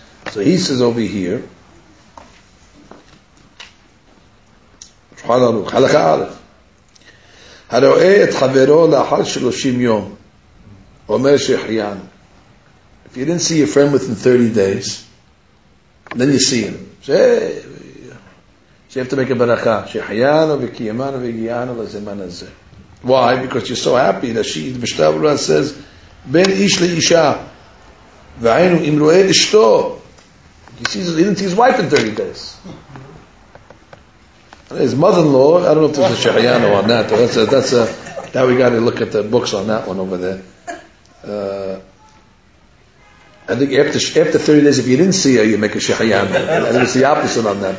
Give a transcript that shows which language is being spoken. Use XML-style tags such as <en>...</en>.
<en>So he says over here, Shulchan Aruch, Halakha Aleph,</en> <he>הראה את חברו לאחר 30 יום, אומר שהחיינו.</he> <en>If you didn't see your friend within 30 days, then you see him. So you have to make a ברכה.</en> <he>שהחיינו וקיימנו והגיענו לזמן הזה.</he> <en>Why? Because you're so happy that she, the משנה ברורה says,</en> <he>בין איש לאישה, והיינו אם רואה אשתו.</he> <en>He didn't see his wife in 30 days. His mother-in-law, I don't know if there's a Shehayana on that. Now we got to look at the books on that one over there. I think after 30 days, if you didn't see her, you make a Shehayana. I think it's the opposite on that.</en>